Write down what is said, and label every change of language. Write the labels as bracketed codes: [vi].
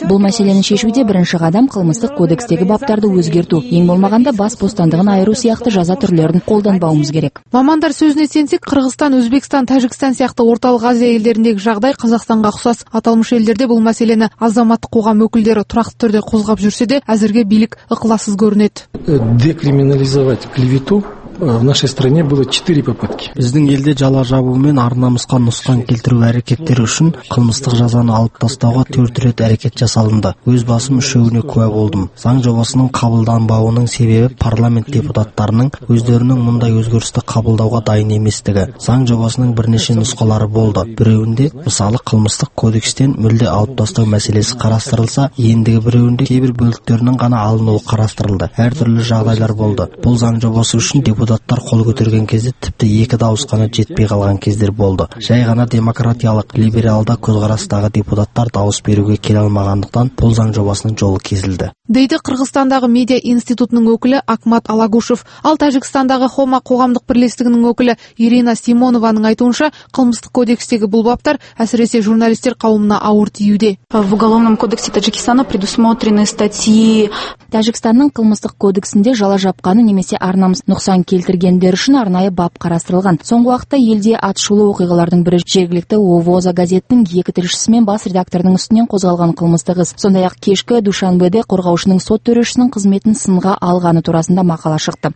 [kk] Бұл мәселені шешуде бірінші қадам қылмыстық кодекстегі баптарды өзгерту, ең болмағанда бас бостандығын айыру сияқты жаза түрлерін қолданбауымыз керек. Мамандар сөзіне сенсек, Қырғызстан, Өзбекстан, Тәжікстан сияқты Орталық Азия елдеріндегі жағдай Қазақстанға ұқсас. Аталмыш елдерде бұл мәселені азаматтық қоғам өкілдері тұрақты түрде қозғап жүрсе де, әзірге билік ықыласыз көрінеді. [ru] Декриминализовать клевету в нашей стране было 4 попытки. [kk] Біздің елде жала жабу мен ар намысқа нұқсан келтіру әрекеттері үшін қылмыстық жазаны алып тастауға 4 рет әрекет жасалынды. Өз басым үшеуіне куә болдым. Заң жобасының қабылданбауының себебі парламент депутаттарының өздерінің мұндай өзгерісті қабылдауға дайын еместігі. Заң жобасының бірнеше нұсқалары болды. Біреуінде мысалы қылмыстық кодекстен мүлде алып тастау мәселесі қарастырылса, ендігі біреуінде кейбір бөліктерінің ғана алынуы қарастырылды. Әр түрлі жағдайлар болды. Бұл заң жобасы үшін депутаттар қол көтерген кезде тіпті екі дауыс қана жетпей қалған кездер болды. Жай ғана демократиялық, либералды көзқарастағы депутаттар дауыс беруге келе алмағандықтан бұл заң жобасының жолы кесілді. Дейді Қырғызстандағы медиа институтының өкілі Акмат Алагушев. Ал Тәжікстандағы Хома қоғамдық бірлестігінің өкілі Ирина Симонованың айтуынша, қылмыстық кодекстегі бұл баптар әсіресе журналистер қауымына ауыр тиюде. [ru] В уголовном кодексе Таджикистана предусмотрены статьи. [kk] Тәжікстанның қылмыстық кодексінде жала жапқаны немесе ар намысқа нұқсан келтіргендер үшін арнайы бап қарастырылған. Соңғы уақытта елде атышулы оқиғалардың бірі жергілікті Овоза газетінің екі тілшісі мен бас редактордың үстінен қозғалған қылмыстық іс. Сондай-ақ кешкі Душанбеде қорғаушының сот төрешісінің қызметін сынға алғаны турасында мақала шықты.